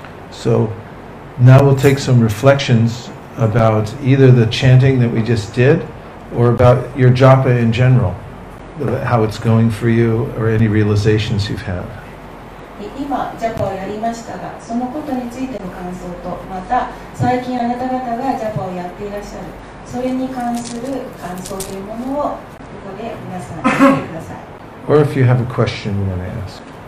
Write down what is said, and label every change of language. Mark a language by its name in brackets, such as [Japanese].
[English] So now we'll take some reflections about either the chanting that we just did or about your japa in general, how it's going for you or any realizations you've had. [Japanese] 今ジャパをやりましたが、そのことについての感想と、また最近あなた方がジャパをやっていらっしゃる、それに関する感想というものをここで皆さんに聞いてください。 [English] Or if you have a question you want to ask.